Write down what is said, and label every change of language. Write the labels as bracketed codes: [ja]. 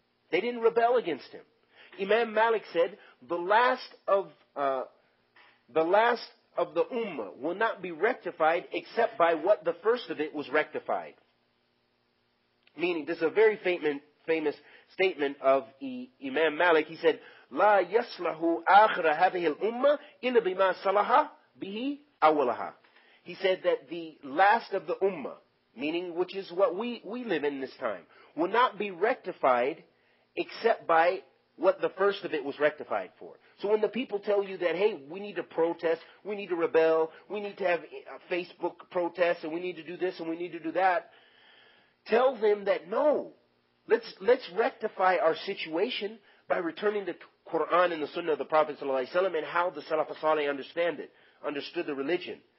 [en] They didn't rebel against him. Imam Malik said, the last of the ummah will not be rectified except by what the first of it was rectified. Meaning, this is a very famous statement of Imam Malik. He said, [ar] لا يصلح آخر هذه الأمة إلا بما صلح به أولها. [en] He said that the last of the ummah, meaning which is what we live in this time, will not be rectified except by what the first of it was rectified for. So when the people tell you that, hey, we need to protest, we need to rebel, we need to have a Facebook protest, and we need to do this and we need to do that, tell them that no, let's rectify our situation by returning the Quran and the Sunnah of the Prophet ﷺ and how the Salaf al-Saleh understood the religion.